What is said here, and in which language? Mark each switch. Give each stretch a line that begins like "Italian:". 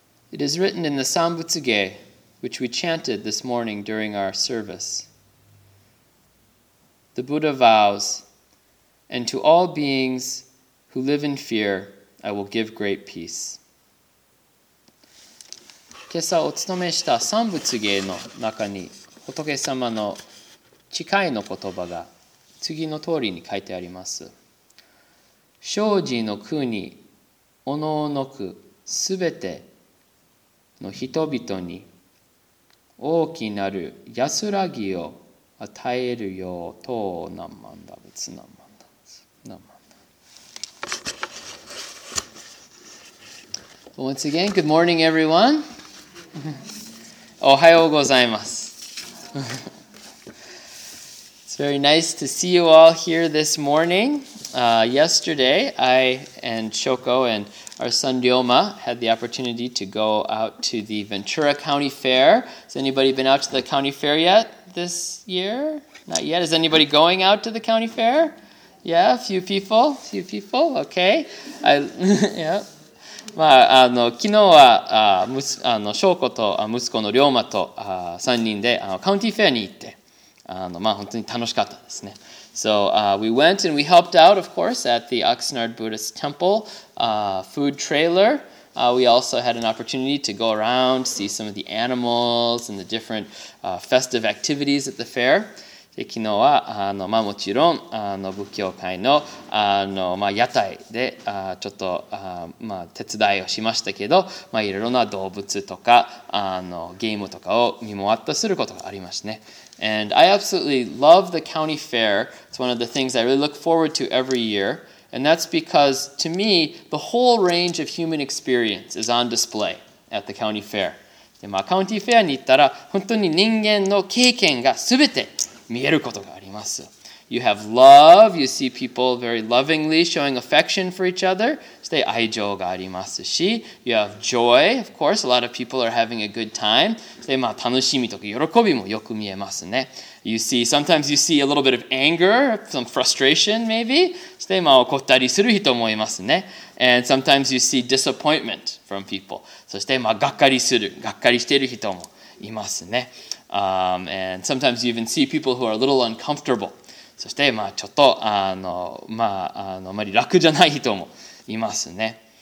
English: It is written in the Sambutsuge, which we chanted this morning during our service. The Buddha vows, and to all beings who live in fear, I will give great peace.
Japanese: 今朝お勤めした三仏芸の中に仏様の誓いの言葉が次の通りに書いてあります。生じの苦におのおのくすべての人々に大きなる安らぎを与えるようと何万だ仏何万だ何万だ。
English: Once again, good morning, everyone.
Japanese: おはようございます。
English: It's very nice to see you all here this morning. Yesterday, I and Shoko and our son Ryoma had the opportunity to go out to the Ventura County Fair. Has anybody been out to the county fair yet this year? Not yet. Is anybody going out to the county fair? Yeah, a few people. A few people. Okay. yeah.
Japanese: まあ、あの昨日は翔子と息子の龍馬と3人でカウンティーフェアに行って、まあ、本当に楽しかったですね。
English: So, we went and we helped out, of course, at the Oxnard Buddhist Temple, food trailer. We also had an opportunity to go around, see some of the animals and the different, festive activities at the fair.
Japanese: で昨日はまあ、もちろん仏教会 の, まあ、屋台でちょっと、まあ、手伝いをしましたけど、まあ、いろいろな動物とかゲームとかを見回ったすることがありましたね。
English: And I absolutely love the county fair. It's one of the things I really look forward to every year. And that's because, to me, the whole range of human experience is on display at the county fair.
Japanese: で、まあ、カウンティーフェアに行ったら本当に人間の経験がすべて見えることがあります。
English: You have love, you see people very lovingly showing affection for each other.
Japanese: そして愛情がありますし、
English: You have joy, of course, a lot of people are having a good time.
Japanese: そして、まあ、楽しみとか喜びもよく見えますね。
English: You see, sometimes you see a little bit of anger, some frustration maybe.
Japanese: そして、まあ、怒ったりする人もいますね。
English: And sometimes you see disappointment from people.
Japanese: そして、まあ、がっかりする、がっかりしている人もいますね。
English: And sometimes you even see people who are a little uncomfortable.
Japanese: そして、まあ、ちょっと、まあ、あまり楽じゃない人もいますね。